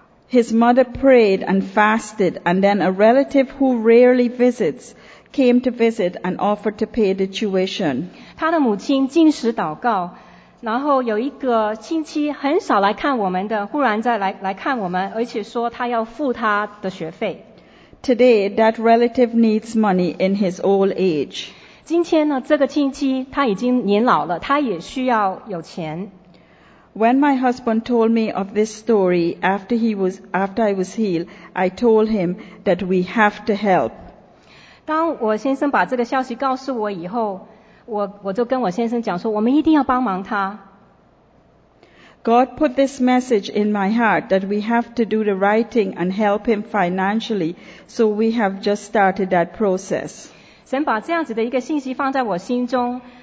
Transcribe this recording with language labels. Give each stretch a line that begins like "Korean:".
English: His mother prayed and fasted, and then a relative who rarely visits came to visit and offered to pay the tuition.
Chinese: 他的母亲禁食祷告，然后有一个亲戚很少来看我们的，忽然再来看我们，而且说他要付他的学费。
English: Today, that relative needs money in his old age.
Chinese: 今天呢，这个亲戚他已经年老了，他也需要有钱。
English: When my husband told me of this story after I was healed, I told him that we have to help.
Chinese: 当我先生把这个消息告诉我以后，我就跟我先生讲说，我们一定要帮忙他。
English: God put this message in my heart that we have to do the right thing and help him financially, so we have just started that process.
Chinese: 神把这样子的一个信息放在我心中。